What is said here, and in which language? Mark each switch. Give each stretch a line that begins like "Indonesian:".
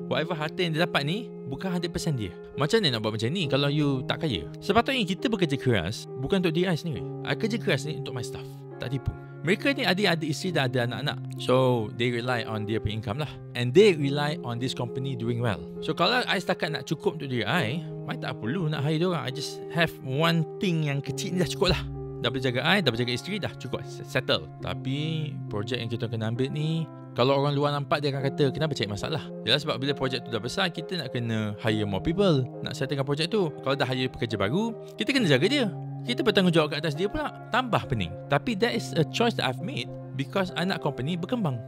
Malay: Whatever harta yang dia dapat ni, bukan 100% dia. Macam mana nak buat macam ni kalau you tak kaya? Sepatutnya kita bekerja keras bukan untuk diri sendiri. I kerja keras ni untuk
English: my staff.
Malay: Tak tipu. Mereka ni ada isteri dan ada anak-anak.
English: So, they rely on their income lah. And they rely on this company doing well.
Malay: So, kalau I setakat nak cukup untuk diri I tak perlu nak hire diorang.
English: I just have one thing
Malay: yang kecil ni dah cukup lah. Dah boleh jaga I, dah boleh jaga isteri, dah cukup. Settle. Tapi, projek yang kita kena ambil ni, kalau orang luar nampak, dia akan kata, kenapa cari masalah? Yalah sebab bila projek tu dah besar, kita nak kena
English: hire more people.
Malay: Nak settlekan projek tu. Kalau dah hire pekerja baru, kita kena jaga dia. Kita bertanggungjawab kat atas dia pula. Tambah pening. Tapi
English: that is a choice that I've made because I
Malay: nak
English: company
Malay: berkembang.